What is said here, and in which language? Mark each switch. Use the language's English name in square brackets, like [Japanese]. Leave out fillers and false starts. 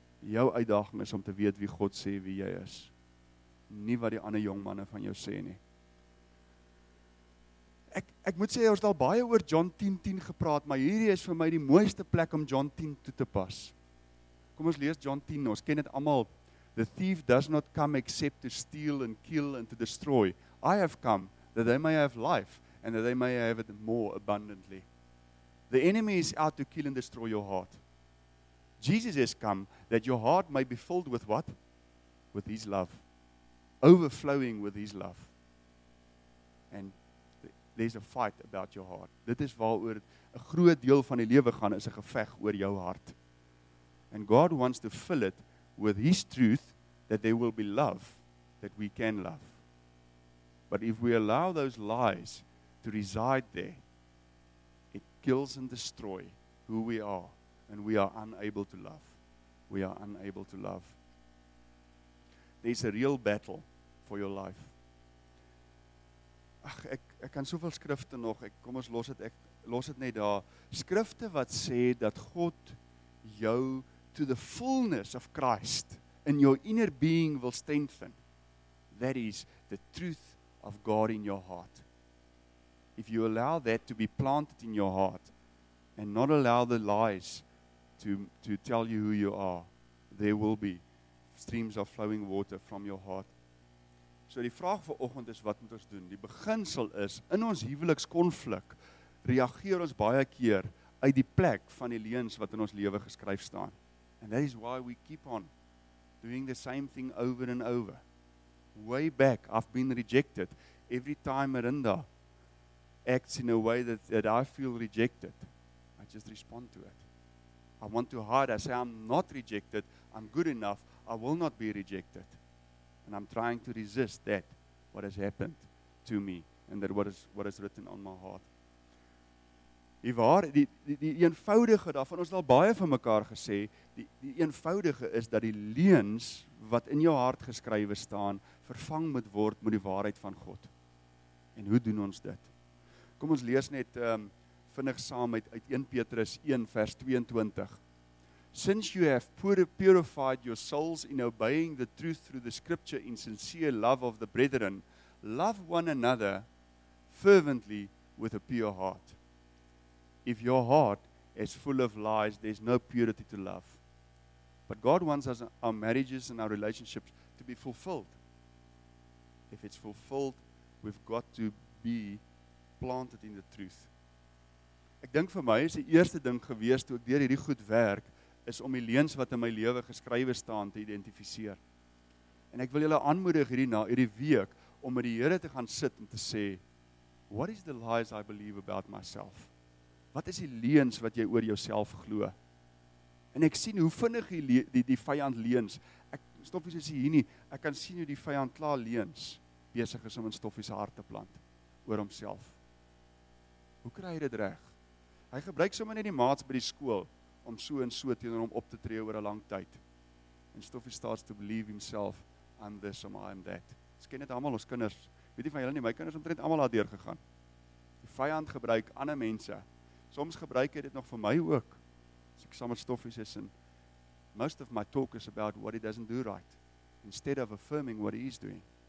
[Afrikaans] Jou uitdaging is om te weet wie God sê wie jy is, nie wat die ander jong manne van jou sê nie. Ek moet sê, ons het al baie oor John 10:10 gepraat, maar hierdie is vir my die mooiste plek om John 10 toe te pas. Kom ons lees John 10, ons ken dit allemaal. [English] The thief does not come except to steal and kill and to destroy. I have come that they may have life and that they may have it more abundantly. The enemy is out to kill and destroy your heart. Jesus has come that your heart may be filled with what? With his love. Overflowing with his love. And there's a fight about your heart. [Afrikaans] Dit is waaroor 'n groot deel van die lewe gaan, is 'n geveg oor jou hart. [English] And God wants to fill it with his truth that there will be love that we can love. But if we allow those lies to reside there, it kills and destroys who we are, and we are unable to love. We are unable to love. There's a real battle for your life. [Afrikaans] Ag, ek kan soveel skrifte nog. Ek los dit net daar. Skrifte wat sê dat God jou [English] to the fullness of Christ in your inner being will strengthen. That is the truth of God in your heart. If you allow that to be planted in your heart and not allow the lies to tell you who you are, there will be streams of flowing water from your heart. [Afrikaans] So die vraag vir oggend is, wat moet ons doen? Die beginsel is, in ons huwelikskonflik reageer ons baie keer uit die plek van die leuns wat in ons lewe geskryf staan. [English] And that is why we keep on doing the same thing over and over. Way back, I've been rejected. Every time Arinda acts in a way that I feel rejected, I just respond to it. I want to hide. I say, I'm not rejected. I'm good enough. I will not be rejected. And I'm trying to resist that, what has happened to me, and that what is written on my heart. [Afrikaans] Die eenvoudige daarvan, ons het al baie van mekaar gesê, die eenvoudige is dat die leuns wat in jou hart geskrywe staan, vervang moet word met die waarheid van God. En hoe doen ons dit? Kom ons lees net vinnig saam uit 1 Petrus 1 vers 22. [English] Since you have purified your souls in obeying the truth through the scripture in sincere love of the brethren, love one another fervently with a pure heart. If your heart is full of lies, there's no purity to love. But God wants us, our marriages and our relationships to be fulfilled. If it's fulfilled, we've got to be planted in the truth. [Afrikaans] Ek dink vir my is die eerste ding gewees toe ek deur hierdie goed werk, is om die leuns wat in my lewe geskrywe staan te identifiseer. En ek wil julle aanmoedig hierdie week om met die Here te gaan sit en te sê, [English] what is the lies I believe about myself? [Afrikaans] Wat is die leuns wat jy oor jouself glo? En ek sien hoe vinnig die vyand leuns. Ek stoffies is hier nie. Ek kan sien hoe die vyand klaar leuns besig is om in stoffies hart te plant oor homself. Hoe kry hy dit reg? Hy gebruik sommer net die maats by die skool om so en so teenoor hom op te tree oor 'n lang tyd. [English] And Stoffie starts to believe himself and this and I am that. [Afrikaans] Ons ken dit almal, ons kinders. Weet jy van julle nie, my kinders omtrent almal daardeur gegaan. Die vyand gebruik ander mense. Soms gebruik hy dit nog vir my ook. As ek saam met Stoffie is en [English] most of my talk is about what he doesn't do right instead of affirming what he is doing.